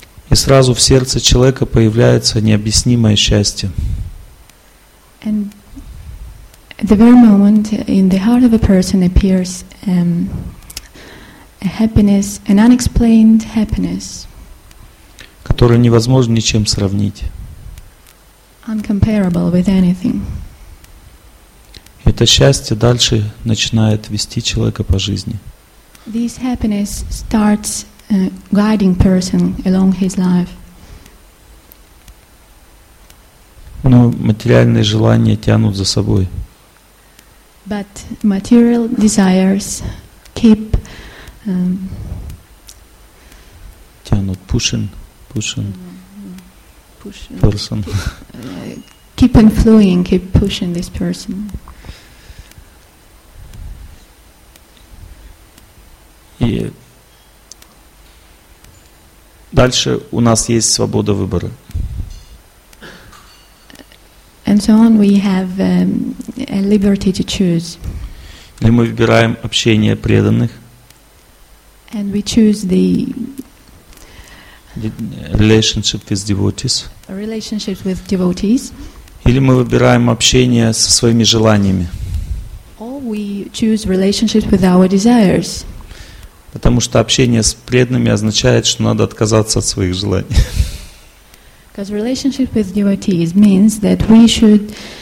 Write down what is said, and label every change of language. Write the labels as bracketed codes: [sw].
[ru] И сразу в сердце человека появляется необъяснимое счастье. [en] And at the very moment in the heart of a person appears a happiness, an unexplained happiness, [ru] которую невозможно ничем сравнить. [en] Uncomparable with anything. [ru] Это счастье дальше начинает вести человека по жизни. [en] This happiness starts guiding person along his life. [ru] Но материальные желания тянут за собой. [en] But material desires keep [ru] тянут, [en] pushing person. keep on flowing, keep pushing this person. [ru] И дальше у нас есть свобода выбора. [en] And so on, we have a liberty to choose. [ru] Или мы выбираем общение преданных. [en] And we choose the relationship with devotees. A relationship with devotees. [ru] Или мы выбираем общение со своими желаниями. [en] Or we choose relationship with our desires. [ru] Потому что общение с преданными означает, что надо отказаться от своих желаний. [en] Because relationship with devotees means that we should